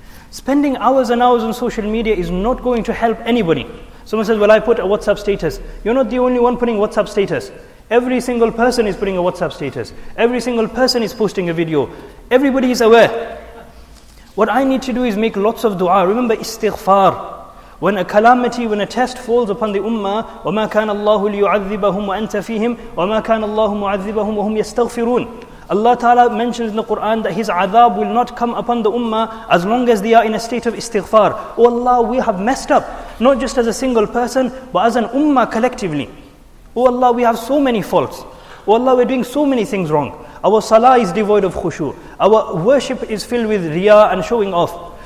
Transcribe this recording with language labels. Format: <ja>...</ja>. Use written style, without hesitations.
<en>Spending hours and hours on social media is not going to help anybody. Someone says, well, I put a WhatsApp status. You're not the only one putting WhatsApp status. Every single person is putting a WhatsApp status. Every single person is posting a video. Everybody is aware. What I need to do is make lots of dua. Remember istighfar. When a calamity, when a test falls upon the ummah,</en> <ar>وَمَا كَانَ اللَّهُ لِيُعَذِّبَهُمْ وَأَنْتَ فِيهِمْ وَمَا كَانَ اللَّهُ مُعَذِّبَهُمْ وَهُمْ يَسْتَغْفِرُونَ.</ar> <en>Allah Ta'ala mentions in the Quran that His adab will not come upon the ummah as long as they are in a state of istighfar. Oh Allah, we have messed up. Not just as a single person, but as an ummah collectively. Oh Allah, we have so many faults. Oh Allah, we're doing so many things wrong. Our salah is devoid of khushu. Our worship is filled with riya and showing off.</en>